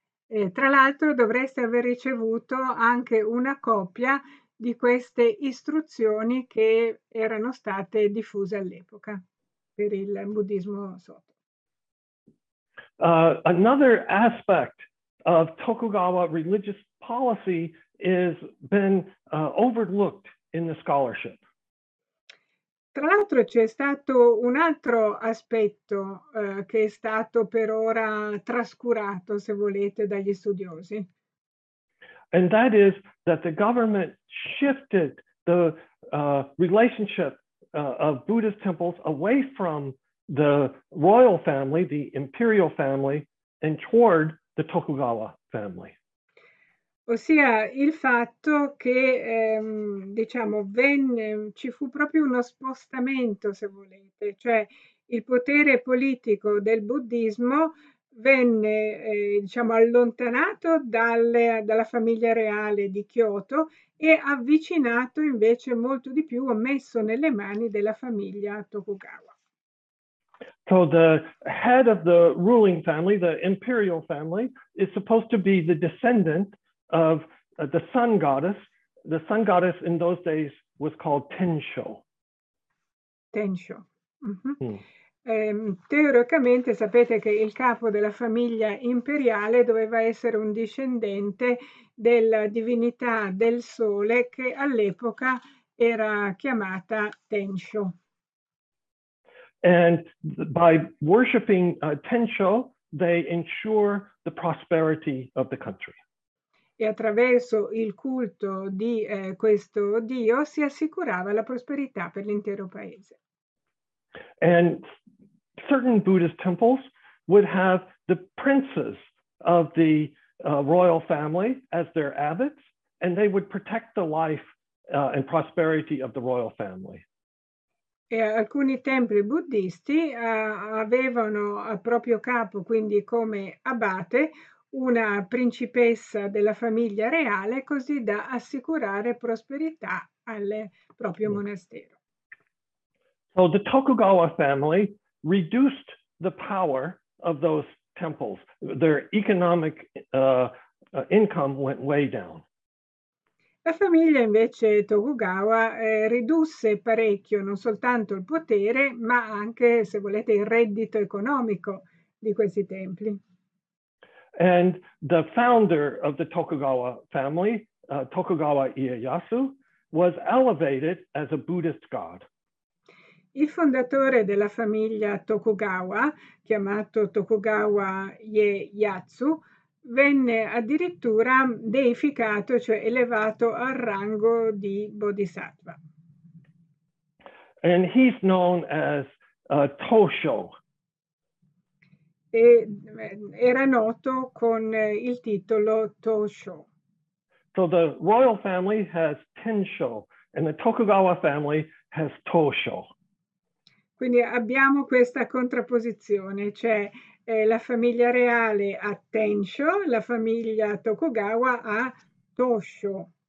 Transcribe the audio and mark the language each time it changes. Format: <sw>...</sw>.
<it>E tra l'altro dovreste aver ricevuto anche una copia di queste istruzioni che erano state diffuse all'epoca. Per il buddismo Soto.</it> <en>Another aspect of Tokugawa religious policy has been overlooked in the scholarship.</en> <it>Tra l'altro c'è stato un altro aspetto che è stato per ora trascurato, se volete, dagli studiosi.</it> <en>And that is that the government shifted the relationship of Buddhist temples away from the royal family, the imperial family, and toward the Tokugawa family.</en> <it>Ossia il fatto che ci fu proprio uno spostamento, se volete, cioè il potere politico del buddismo venne allontanato dalla famiglia reale di Kyoto e avvicinato invece molto di più, messo nelle mani della famiglia Tokugawa.</it> <en>So the head of the ruling family, the imperial family, is supposed to be the descendant of the sun goddess. The sun goddess in those days was called Tensho. Tensho.</en> <it>Teoricamente sapete che il capo della famiglia imperiale doveva essere un discendente della divinità del sole che all'epoca era chiamata Tensho.</it> <en>And by worshiping Tensho, they ensure the prosperity of the country.</en> <it>E attraverso il culto di questo dio si assicurava la prosperità per l'intero paese.</it> <en>And certain Buddhist temples would have the princes of the royal family as their abbots, and they would protect the life and prosperity of the royal family.</en> <it>E alcuni templi buddhisti avevano a proprio capo, quindi come abate, una principessa della famiglia reale, così da assicurare prosperità al proprio monastero.</it> <en>So the Tokugawa family reduced the power of those temples. Their economic income went way down.</en> <it>La famiglia invece Tokugawa ridusse parecchio non soltanto il potere, ma anche, se volete, il reddito economico di questi templi.</it> <en>And the founder of the Tokugawa family, Tokugawa Ieyasu, was elevated as a Buddhist god.</en> <it>Il fondatore della famiglia Tokugawa, chiamato Tokugawa Ieyasu, venne addirittura deificato, cioè elevato al rango di Bodhisattva.</it> <en>And he's known as Tosho.</en> <it>E era noto con il titolo Tosho.</it> <en>So the royal family has Tensho and the Tokugawa family has Tosho.</en> <it>Quindi abbiamo questa contrapposizione, cioè la famiglia reale ha Tensho, la famiglia Tokugawa ha Tosho.</it>